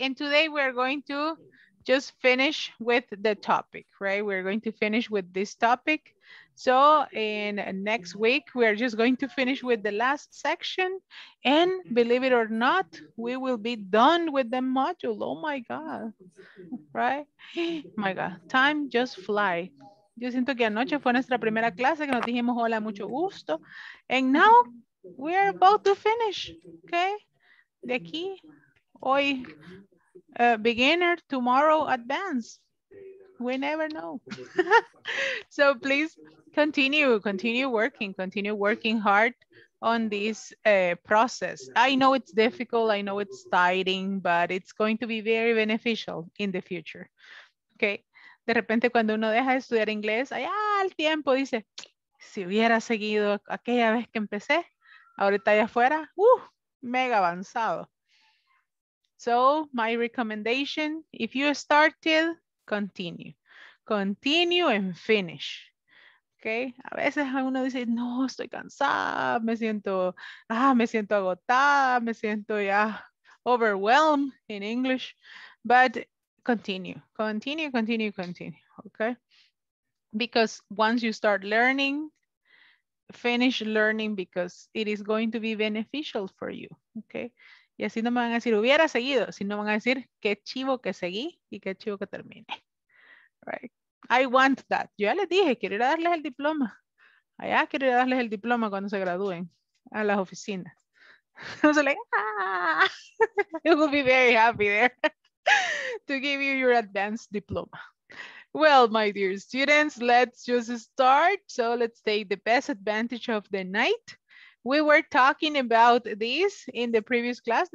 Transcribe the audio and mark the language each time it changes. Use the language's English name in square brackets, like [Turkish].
[English] And today we're going to just finish with the topic, right? We're going to finish with this topic. So in next week, we're just going to finish with the last section. And believe it or not, we will be done with the module. Oh my God, right? My God, time just fly. [Spanish] Yo siento que anoche fue nuestra primera clase que nos dijimos hola, mucho gusto. [English] And now, we are about to finish, okay? [Spanish] De aquí, hoy, [English] beginner, tomorrow, advanced. We never know. So please continue working hard on this process. I know it's difficult, I know it's tiring, but it's going to be very beneficial in the future, okay? [Spanish] De repente cuando uno deja de estudiar inglés, allá al tiempo dice, si hubiera seguido aquella vez que empecé, ahorita allá afuera, mega avanzado. [English] So my recommendation, if you started, continue. Continue and finish. Okay? [Spanish] A veces uno dice, no, estoy cansada, me siento agotada, me siento ya [English] overwhelmed in English. But continue. Okay? Because once you start learning, finish learning because it is going to be beneficial for you, okay? [Spanish] Y así no me van a decir hubiera seguido, sino van a decir qué chivo que seguí y qué chivo que terminé, [English] right? I want that. [Spanish] Yo ya les dije, quiero ir a darles el diploma. Allá quiero ir a darles el diploma cuando se gradúen a las oficinas. [English] I was like, ah! It will be very happy there to give you your advanced diploma. Well, my dear students, let's just start. So let's take the best advantage of the night. We were talking about this in the previous class.